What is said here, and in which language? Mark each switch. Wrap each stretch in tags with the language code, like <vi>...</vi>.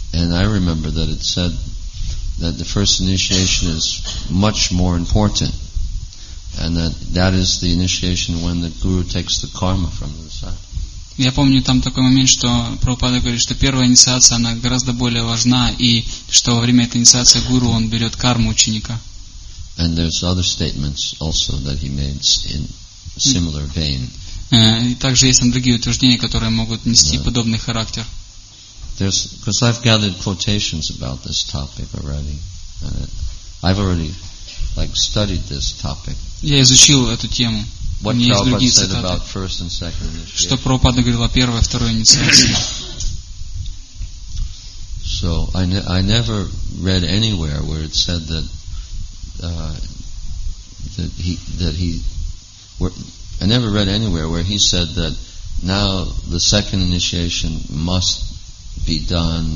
<en>And I remember that it said that the first initiation is much more important, and that is the initiation when the guru takes the karma from the disciple.</en> <ru>Я помню там такой момент, что Прабхупада говорит, что первая инициация она гораздо более важна, и что во время этой инициации гуру он берет карму ученика.</ru> <en>And there's other statements also that he made in similar vein.</en> <ru>И также есть там другие утверждения, которые могут нести подобный характер.</ru> <en>There's, because I've gathered quotations about this topic already. I've already studied this topic.</en> <ru>Я изучил эту тему.</ru> <en>What Prabhupada said about first and second initiation.</en> <ru>Что Прабхупада говорил о первой и второй инициации.</ru> <en>So I never read anywhere where it said that I never read anywhere where he said that now the second initiation must be done.</en>